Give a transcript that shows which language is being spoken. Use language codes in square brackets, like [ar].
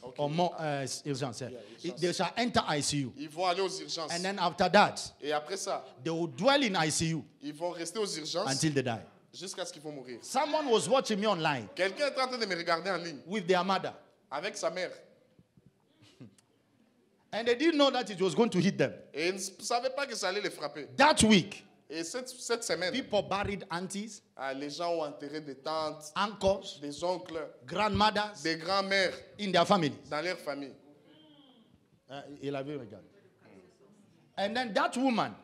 [en] Oh. Okay. Urgence. Yeah, urgence. They shall enter ICU. [fr] Ils vont aller aux urgences. [en] And then after that. [fr] Et après ça. [en] They will dwell in ICU. [fr] Ils vont rester aux urgences. [en] Until they die. [fr] Jusqu'à ce qu'ils vont mourir. [en] Someone was watching me online. [fr] Quelqu'un est en train de me regarder en ligne. [en] With their mother. [fr] Avec sa mère. [en] And they didn't know that it was going to hit them. [fr] Et ils ne savaient pas que ça allait les frapper. [en] That week. [fr] Et cette semaine, [en] people buried aunties, [fr] les gens ont enterré des tantes, [en] uncles, [fr] des oncles, [en] grandmothers, [fr] des grands-mères, [en] in their families, [fr] dans leur famille. Il avait regardé. [en] And then that woman,